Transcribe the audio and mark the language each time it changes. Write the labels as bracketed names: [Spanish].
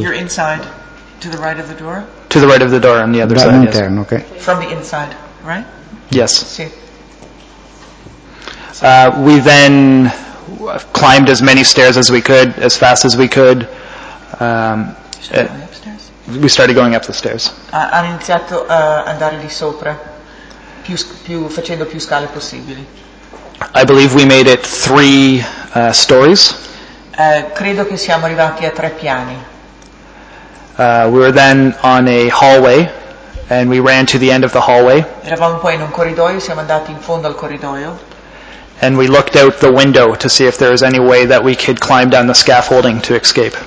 [English] You're inside to the right of the door? To the right of the door on the other side. [Italian] Dall'interno, [English] yes. Okay. From the inside, right? Yes. [Italian] Sì. [English] We then climbed as many stairs as we could, as fast as we could. We started going up the stairs. [Italian] Hanno iniziato a andare di sopra, più facendo più scale possibili. [English] I believe we made it three stories. [Italian] Credo che siamo arrivati a tre piani. [English] We were then on a hallway, and we ran to the end of the hallway. [Italian] Eravamo poi in un corridoio, siamo andati in fondo al corridoio. [English] And we looked out the window to see if there was any way that we could climb down the scaffolding to escape.